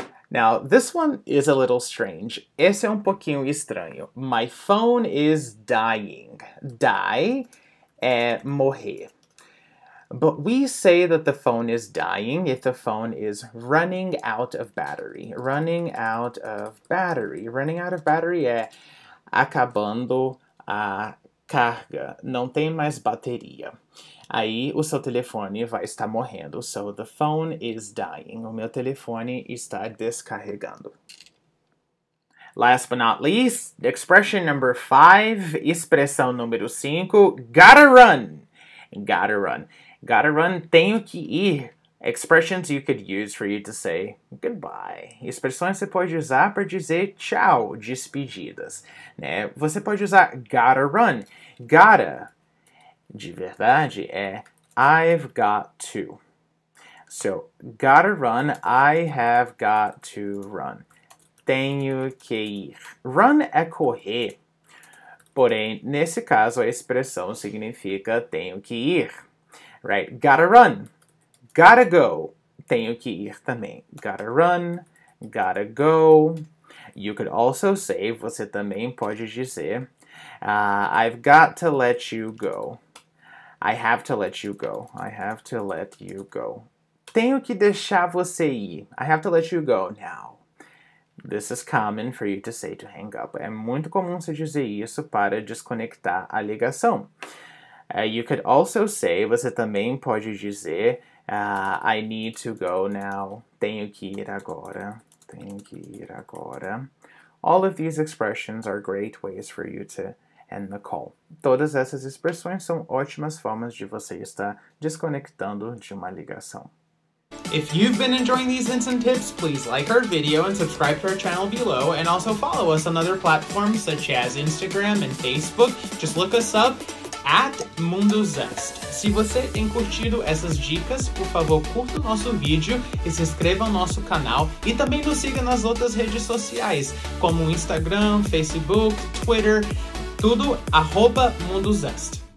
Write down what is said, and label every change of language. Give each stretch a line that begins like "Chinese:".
English: Now, this one is a little strange.
Portuguese: Esse é um pouquinho estranho.
English: My phone is dying. Die
Portuguese: é morrer.
English: But we say that the phone is dying if the phone is running out of battery. Running out of battery. Running out of battery
Portuguese: é acabando a carga. Não tem mais bateria. Aí o seu telefone vai estar morrendo.
English: So, the phone is dying.
Portuguese: O meu telefone está descarregando.
English: Last but not least, expression number 5,
Portuguese: expressão número 5,
English: gotta run. Gotta run. Gotta run.
Portuguese: Tenho que ir.
English: Expressions you could use for you to say goodbye.
Portuguese: Expressões você pode usar para dizer tchau, despedidas. Né? Você pode usar gotta run. Gotta, de verdade, é
English: I've got to. So, gotta run, I have got to run.
Portuguese: Tenho que ir. Run é correr. Porém, nesse caso, a expressão significa tenho que ir.
English: Right? Gotta run. Gotta go.
Portuguese: Tenho que ir também.
English: Gotta run. Gotta go. You could also say,
Portuguese: você também pode dizer,
English: I've got to let you go. I have to let you go. I have to let you go.
Portuguese: Tenho que deixar você ir.
English: I have to let you go now. This is common for you to say to hang up.
Portuguese: É muito comum você dizer isso para desconectar a ligação.
English: You could also say,
Portuguese: você também pode dizer,
English: I need to go now.
Portuguese: Tenho que ir agora. Tenho que ir agora.
English: All of these expressions are great ways for you to end the call.
Portuguese: Todas essas expressões são ótimas formas de você estar desconectando de uma ligação.
English: If you've been enjoying these hints and tips, please like our video and subscribe to our channel below, and also follow us on other platforms such as Instagram and Facebook. Just look us up at MundoZest.
Portuguese: Se você tem curtido essas dicas, por favor, curta o nosso vídeo e se inscreva no nosso canal e também nos siga nas outras redes sociais, como Instagram, Facebook, Twitter, tudo @MundoZest.